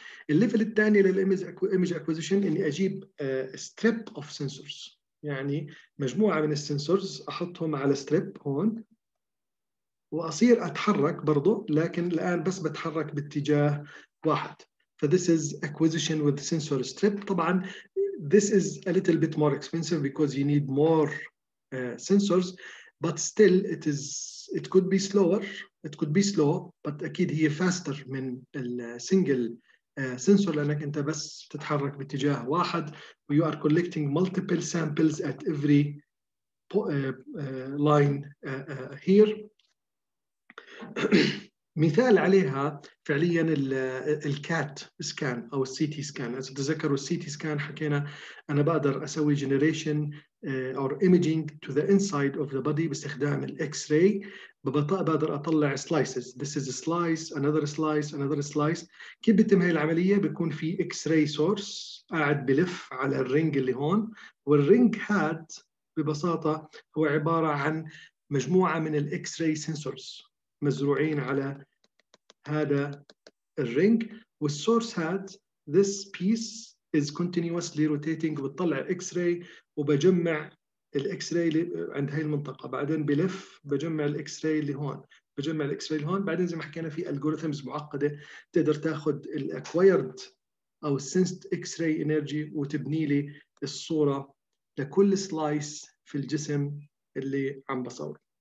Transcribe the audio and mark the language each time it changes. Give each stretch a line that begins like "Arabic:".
Arabic: الليفل الثاني للimage acquisition إني أجيب strip of sensors، يعني مجموعة من السنسورز أحطهم على ستريب هون وأصير أتحرك برضو، لكن الآن بس بتحرك باتجاه واحد.
English: فthis is acquisition with sensor strip. طبعاً this is a little bit more expensive because you need more sensors, but still it could be slower. It could be slow, but
Arabic: أكيد هي
English: faster
Arabic: من السنجل sensor لأنك أنت بس تتحرك باتجاه واحد.
English: You are collecting multiple samples at every line here.
Arabic: مثال عليها فعليا الكات سكان أو السي تي سكان. إذا تذكروا السي تي سكان حكينا أنا بقدر أسوي
English: generation or imaging to the inside of the body
Arabic: باستخدام الإكس-راي، بقدر أطلع slices.
English: This is a slice, another slice, another slice.
Arabic: كيف بتتم هاي العملية؟ بيكون في X-ray source قاعد بلف على الرينج اللي هون، والرينج هاد ببساطة هو عبارة عن مجموعة من الإكس-ray sensors مزروعين على هذا الرينج، والsource هاد
English: this piece is continuously rotating
Arabic: بتطلع X-ray وبجمع الإكس راي عند هاي المنطقة، بعدين بلف بجمع الإكس راي اللي هون، بجمع الإكس راي اللي هون، بعدين زي ما حكينا في algorithms معقدة تقدر تاخد الأكوايرد أو sensed إكس راي إنرجي وتبني لي الصورة لكل سلايس في الجسم اللي عم بصور.